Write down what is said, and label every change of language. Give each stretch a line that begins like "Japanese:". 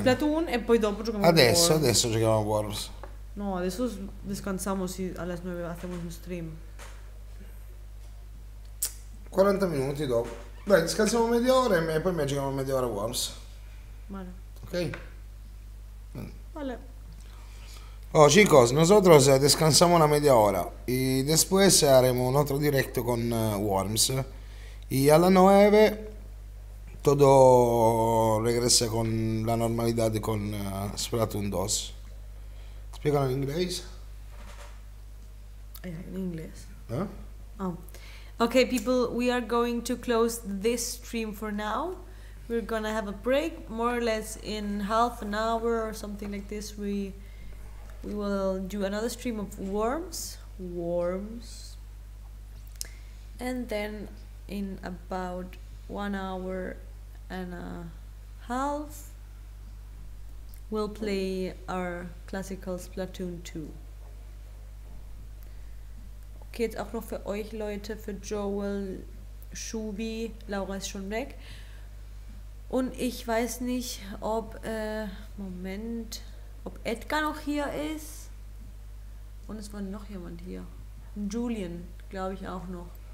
Italian: Splatoon e poi dopo giochiamo con Adesso Worms. giochiamo a Worms. No, adesso descansiamo, sì, alle 9 facciamo uno stream. 40 minuti dopo. Dai, scansiamo mezz'ora e poi mi giochiamo mezz'ora a Worms.
Spanish: Vale.
Italian: Ok?
Spanish: Vale. Oh, chicos, nosotros descansamos una media hora y después haremos un otro directo con Worms. Y a las 9 todo regresa con la normalidad de con Splatoon 2. ¿Explican en inglés?
English: In English. ¿Eh? Oh. Okay, people, we are going to close this stream for now. We're gonna have a break, more or less in half an hour or something like this. We will do another stream of Worms. Worms. And then in about 1 hour and a half, we'll play our classical Splatoon 2.
German: Okay, jetzt auch noch für euch Leute, für Joel, Shubi, Laura ist schon weg. Und ich weiß nicht, ob, Moment, ob Edgar noch hier ist. Und es war noch jemand hier. Julian, glaube ich auch noch.